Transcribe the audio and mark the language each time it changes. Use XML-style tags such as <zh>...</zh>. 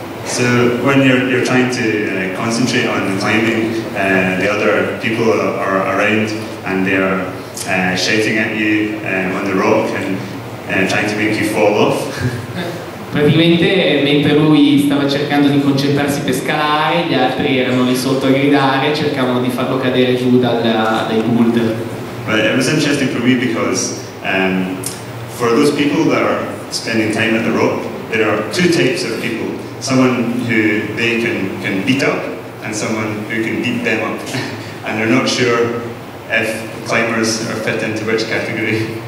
<en>So when you're trying to concentrate on climbing, the other people are around and they are shouting at you on the rock and trying to make you fall off.</en> <it>Praticamente mentre lui stava cercando di concentrarsi per scalare, gli altri erano lì sotto a gridare e cercavano di farlo cadere giù dai boulder.</it> <en>But it was interesting for me because for those people that are spending time at the rock, there are two types of people. Someone who they can beat up and someone who can beat them up. And they're not sure if climbers are fit into which category.</en>